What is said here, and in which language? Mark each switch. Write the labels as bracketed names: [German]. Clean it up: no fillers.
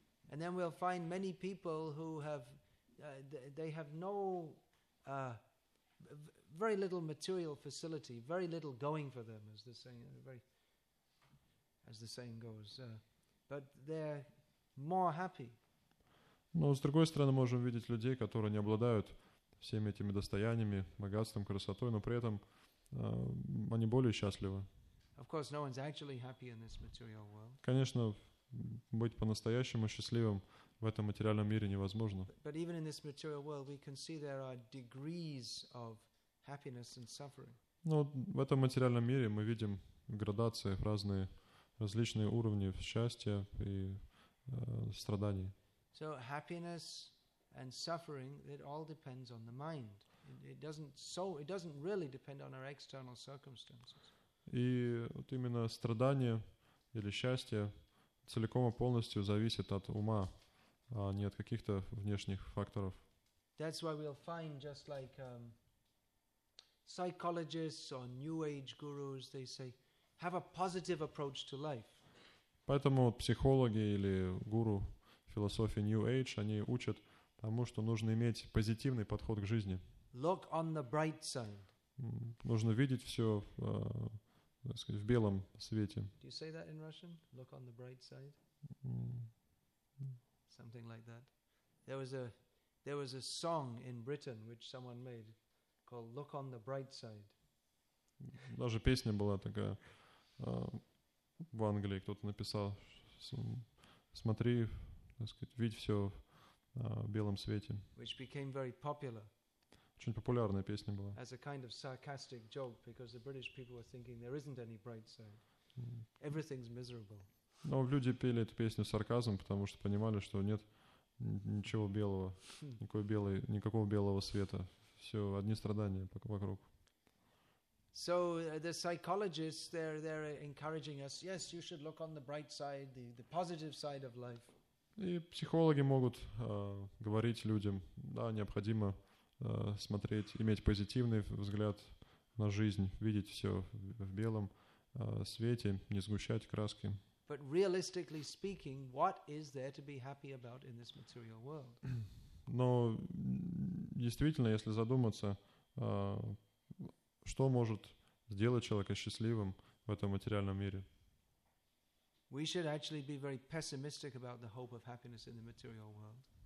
[English] And then we'll find many people who have they have no very little material facility, very little going for them, as the saying goes. But they're more happy. [Russian] Но с другой стороны, можем видеть людей, которые не обладают всеми этими достояниями, богатством, красотой, но при этом они более счастливы. [English] Of course, no one's actually happy in this material world. [Russian] Конечно, быть по-настоящему счастливым в этом материальном мире невозможно. [English] But even in this material world, we can see there are degrees of happiness and suffering. [Russian] Но в этом материальном мире мы видим градации, разные различные уровни счастья и страданий. [English] So happiness and suffering, it all depends on the mind. It doesn't really depend on our external circumstances. [Russian] И вот именно страдание или счастье целиком и полностью зависит от ума, а не от каких-то внешних факторов. [English] That's why we'll find just like psychologists or new age gurus, they say, have a positive approach to life. [Russian] Поэтому вот психологи или гуру философии New Age, они учат тому, что нужно иметь позитивный подход к жизни. [English] Look on the bright side. [Russian] Нужно видеть все так сказать, в белом свете. [English] Do you say that in Russian? Look on the bright side? Something like that. There was a song in Britain which someone made called Look on the Bright Side. [Russian] Даже песня была такая в Англии, кто-то написал, смотри, так сказать, видь все в белом свете. [English] Which became very popular. [Russian] Очень популярная песня была. [English] As a kind of sarcastic joke, because the British people were thinking there isn't any bright side. Everything's miserable. [Russian] Но люди пели эту песню с сарказмом, потому что понимали, что нет ничего белого, никакого белого света. Все одни страдания вокруг. [English] So the psychologists, they're encouraging us, yes, you should look on the bright side, the positive side of life. [Russian] И психологи могут говорить людям, да, необходимо смотреть, иметь позитивный взгляд на жизнь, видеть все в белом свете, не сгущать краски. [English] But realistically speaking, what is there to be happy about in this material world? [Russian] Но действительно, если задуматься, что может сделать человека счастливым в этом материальном мире? [English] We should actually be very pessimistic about the hope of happiness in the material world.